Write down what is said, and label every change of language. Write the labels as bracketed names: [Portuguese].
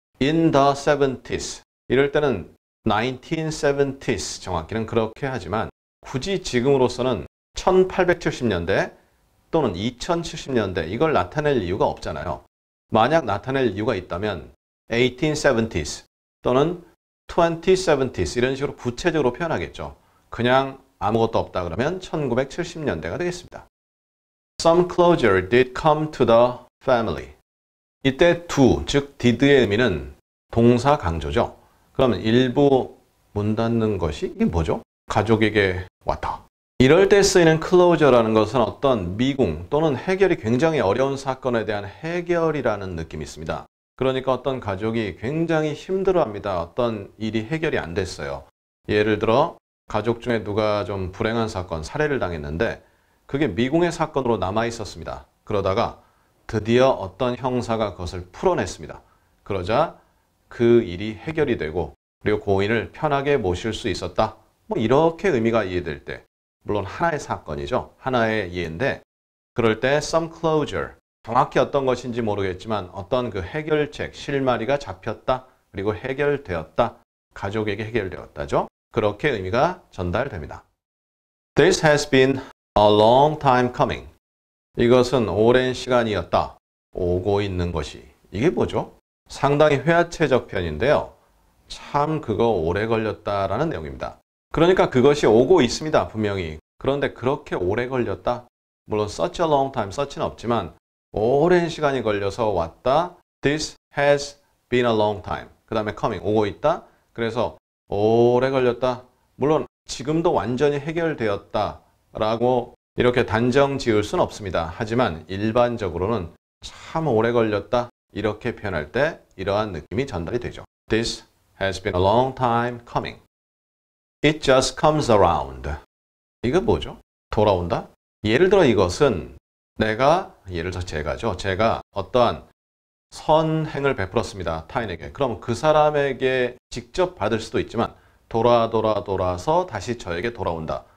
[English] In the 70s, [Korean] 이럴 때는 1970s 정확히는 그렇게 하지만 굳이 지금으로서는 1870년대 또는 2070년대 이걸 나타낼 이유가 없잖아요. 만약 나타낼 이유가 있다면 1870s 또는 2070s 이런 식으로 구체적으로 표현하겠죠. 그냥 아무것도 없다 그러면 1970년대가 되겠습니다. [English] Some closure did come to the family. [Korean] 이때 to, 즉 did의 의미는 동사 강조죠. 그러면 일부 문 닫는 것이 이게 뭐죠? 가족에게 왔다. 이럴 때 쓰이는 closure라는 것은 어떤 미궁 또는 해결이 굉장히 어려운 사건에 대한 해결이라는 느낌이 있습니다. 그러니까 어떤 가족이 굉장히 힘들어합니다. 어떤 일이 해결이 안 됐어요. 예를 들어 가족 중에 누가 좀 불행한 사건, 살해를 당했는데 그게 미궁의 사건으로 남아있었습니다. 그러다가 드디어 어떤 형사가 그것을 풀어냈습니다. 그러자 그 일이 해결이 되고 그리고 고인을 편하게 모실 수 있었다. 뭐 이렇게 의미가 이해될 때 물론 하나의 사건이죠. 하나의 예인데 그럴 때 [English] some closure [Korean] 정확히 어떤 것인지 모르겠지만 어떤 그 해결책, 실마리가 잡혔다. 그리고 해결되었다. 가족에게 해결되었다죠. 그렇게 의미가 전달됩니다. [English] This has been A long time coming. [Korean] 이것은 오랜 시간이었다. 오고 있는 것이. 이게 뭐죠? 상당히 회화체적 표현인데요. 참 그거 오래 걸렸다라는 내용입니다. 그러니까 그것이 오고 있습니다. 분명히. 그런데 그렇게 오래 걸렸다? 물론 [English] such a long time, [Korean] such는 없지만 오랜 시간이 걸려서 왔다. [English] This has been a long time. [Korean] 그 다음에 coming, 오고 있다. 그래서 오래 걸렸다. 물론 지금도 완전히 해결되었다. 라고 이렇게 단정 지을 순 없습니다. 하지만 일반적으로는 참 오래 걸렸다 이렇게 표현할 때 이러한 느낌이 전달이 되죠. [English] This has been a long time coming. It just comes around. [Korean] 이거 뭐죠? 돌아온다? 예를 들어 이것은 내가 예를 들어 제가죠. 제가 어떠한 선행을 베풀었습니다. 타인에게. 그럼 그 사람에게 직접 받을 수도 있지만 돌아서 다시 저에게 돌아온다.